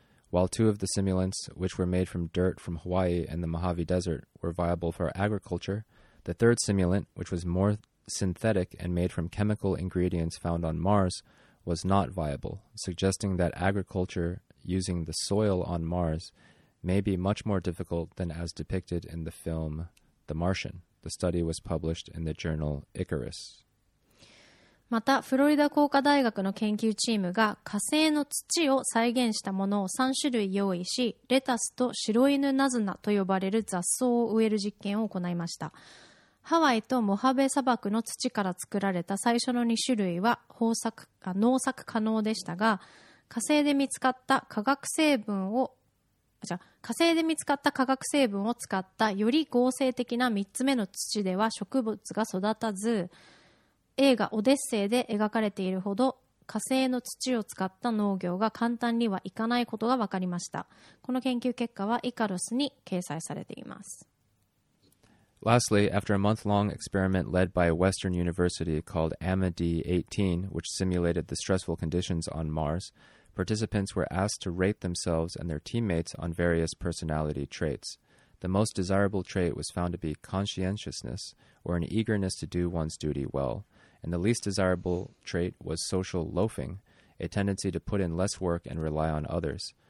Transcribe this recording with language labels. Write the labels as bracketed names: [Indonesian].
[English] While two of the simulants, which were made from dirt from Hawaii and the Mojave Desert, were viable for agriculture, the third simulant, which was more synthetic and made from chemical ingredients found on Mars, was not viable, suggesting that agriculture using the soil on Mars may be much more difficult than as depicted in the film The Martian. The study was published in the journal Icarus. [Japanese] また、フロリダ工科大学の研究チームが火星の土を再現したものを3種類用意し、レタスと白犬ナズナと呼ばれる雑草を植える実験を行いました。ハワイとモハベ砂漠の土から作られた最初の2種類は農作可能でしたが、火星で見つかった化学成分を使ったより合成的な3つ目の土では植物が育たず、映画オデッセイで描かれているほど火星の土を使った農業が簡単にはいかないことが分かりました。この研究結果はイカロスに掲載されています。 [English] Lastly, after a month-long experiment led by a Western university called AMADEE18, which simulated the stressful conditions on Mars, participants were asked to rate themselves and their teammates on various personality traits. The most desirable trait was found to be conscientiousness, or an eagerness to do one's duty well, and the least desirable trait was social loafing, a tendency to put in less work and rely on others.